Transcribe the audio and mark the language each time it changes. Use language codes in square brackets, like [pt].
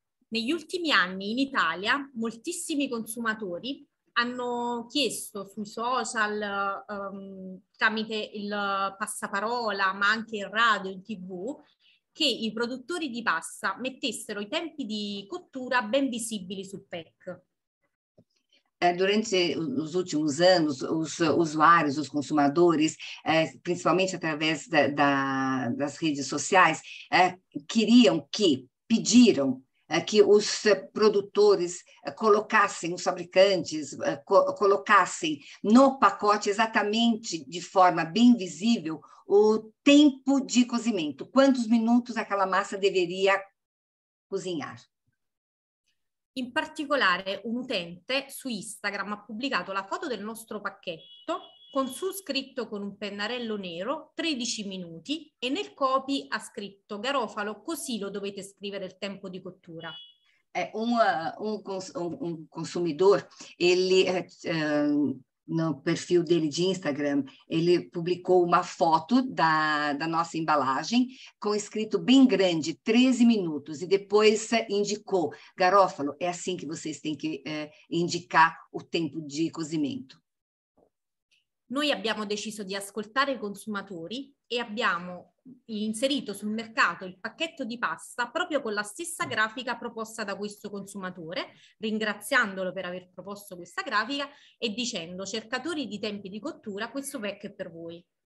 [it] Negli ultimi anni in Italia moltissimi consumatori hanno chiesto sui social, tramite il passaparola, ma anche in radio, in TV, che i produttori di pasta mettessero i tempi di cottura ben visibili sul pack. [pt] Durante os últimos anos, os usuários, os consumadores, principalmente através das redes sociais, pediram que os produtores colocassem, os fabricantes colocassem no pacote exatamente de forma bem visível o tempo de cozimento, quantos minutos aquela massa deveria cozinhar. [it] In particolare, un utente su Instagram ha pubblicato la foto del nostro pacchetto con su scritto con un pennarello nero 13 minuti e nel copy ha scritto Garofalo, così lo dovete scrivere il tempo di cottura. [pt] Un consumidor, ele no perfil dele de Instagram, ele publicou uma foto da nossa embalagem com escrito bem grande 13 minutos e depois indicou Garofalo, é assim que vocês têm que indicar o tempo de cozimento. [it] Noi abbiamo deciso di ascoltare i consumatori e abbiamo inserito sul mercato il pacchetto di pasta proprio con la stessa grafica proposta da questo consumatore, ringraziandolo per aver proposto questa grafica e dicendo: cercatori di tempi di cottura, questo pack è per voi.